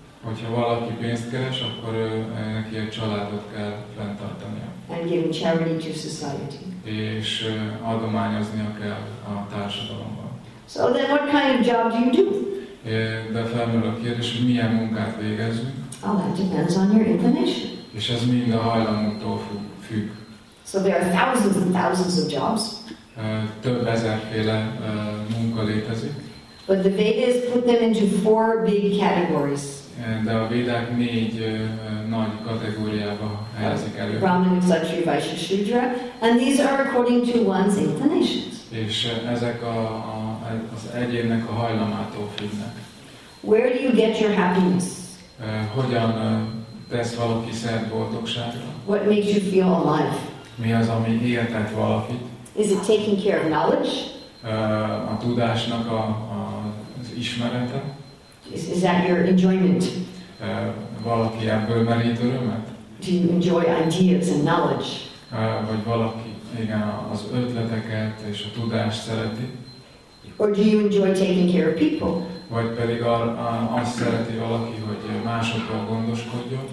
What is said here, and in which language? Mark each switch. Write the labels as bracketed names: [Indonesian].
[Hungarian] Hogyha valaki pénzt keres, akkor neki egy családot kell fenntartania. [English] And giving charity to society. [Hungarian] És adományoznia kell a társadalomban. [English] So then what kind of job do you do? [Hungarian] De felmerül a kérdés, hogy milyen munkát végezünk. [English] Oh, that depends on your inclination. [Hungarian] És ez mind a hajlamunktól függ. [English] So there are thousands and thousands of jobs. [Hungarian] Több ezerféle munka létezik. [English] But the Vedas put them into four big categories. [Hungarian] De a Védák négy nagy kategóriába helyezik elő. [English] Brahman, Kshatriya, Vaishya, Shudra. And these are according to one's inclinations. [Hungarian] És ezek az egyének a hajlamától függnek. [English] Where do you get your happiness? [Hungarian] Hogyan tesz valaki szert boldogságra? [English] What makes you feel alive? [Hungarian] Mi az, ami éltet valakit? [English] Is it taking care of knowledge? [Hungarian] A tudásnak az ismerete. [English] Is that your enjoyment? [Hungarian] Valaki ebből merít örömet? [English] Do you enjoy ideas and knowledge? [Hungarian] Vagy valaki, igen, az ötleteket és a tudást szereti. [English] Or do you enjoy taking care of people? [Hungarian] Vagy pedig azt szereti valaki, hogy másokról gondoskodjon.